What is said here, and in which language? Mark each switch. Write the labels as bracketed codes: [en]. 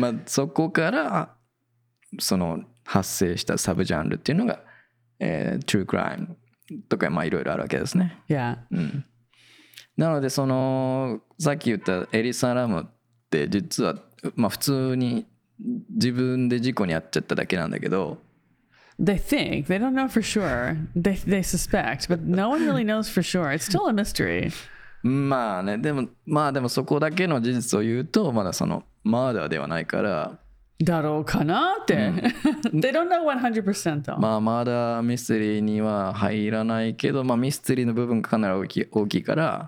[ja] まあそこからその発生したサブジャンルっていうのが、True Crime とかまあいろいろあるわけですね。 [en] Yeah. [ja] うん、なのでそのさっき言ったエリサ・ラムって実はまあ普通に自分で事故に遭っちゃっただけなんだけど。 [en] They think, they don't know for sure. They suspect, but no one really knows for sure. It's still a mystery. [ja] まあね、でもまあでもそこだけの事実を言うとまだそのマーダーではないから。だろうかなって。うん、 [en] they don't know 100% though. [ja] まあマーダーミステリーには入らないけど、まあミステリーの部分がかなり大きいから。